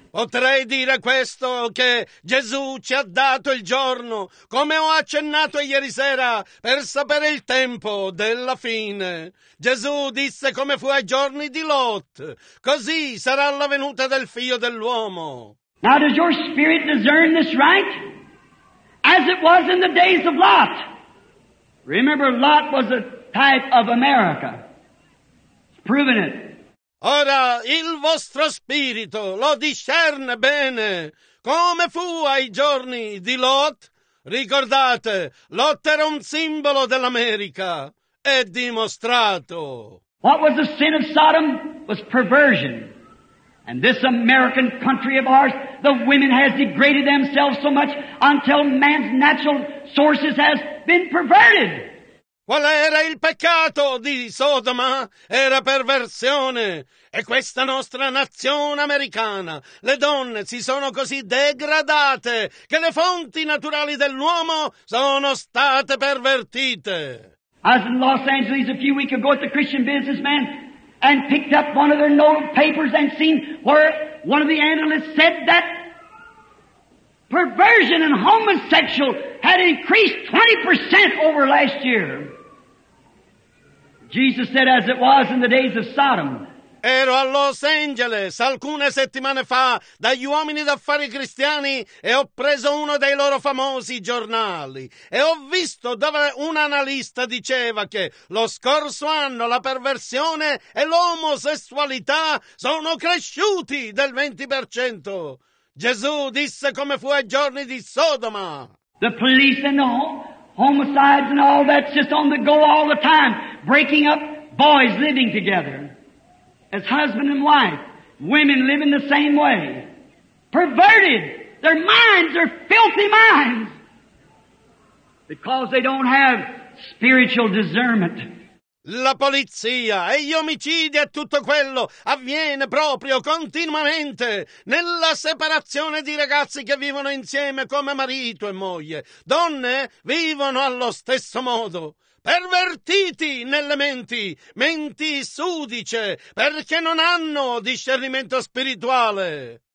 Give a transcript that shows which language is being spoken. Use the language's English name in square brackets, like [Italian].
[Italian] Potrei dire questo, che Gesù ci ha dato il giorno, come ho accennato ieri sera, per sapere il tempo della fine. Gesù disse come fu ai giorni di Lot, così sarà la venuta del Figlio dell'Uomo. [English] Now does your spirit discern this right? As it was in the days of Lot. Remember, Lot was a type of America. It's proven it. [Italian] Ora, il vostro spirito lo discerne bene. Come fu ai giorni di Lot? Ricordate, Lot era un simbolo dell'America. È dimostrato. [English] What was the sin of Sodom? Was perversion. And this American country of ours, the women has degraded themselves so much until man's natural sources has been perverted. [Italian] Qual era il peccato di Sodoma? Era perversione. E questa nostra nazione americana, le donne si sono così degradate che le fonti naturali dell'uomo sono state pervertite. [English] I was in Los Angeles a few weeks ago with the Christian businessman and picked up one of their note papers and seen where one of the analysts said that perversion and homosexual had increased 20% over last year. Jesus said, as it was in the days of Sodom. [Italian] Ero a Los Angeles alcune settimane fa dagli uomini d'affari cristiani e ho preso uno dei loro famosi giornali e ho visto dove un analista diceva che lo scorso anno la perversione e l'omosessualità sono cresciuti del 20%. Gesù disse come fu ai giorni di Sodoma. [English] The police and the homicides and all that's just on the go all the time, breaking up boys living together. As husband and wife, women live in the same way. Perverted. Their minds are filthy minds. Because they don't have spiritual discernment. [Italian] La polizia e gli omicidi e tutto quello avviene proprio continuamente nella separazione di ragazzi che vivono insieme come marito e moglie. Donne vivono allo stesso modo. Pervertiti nelle menti, menti sudice, perché non hanno discernimento spirituale.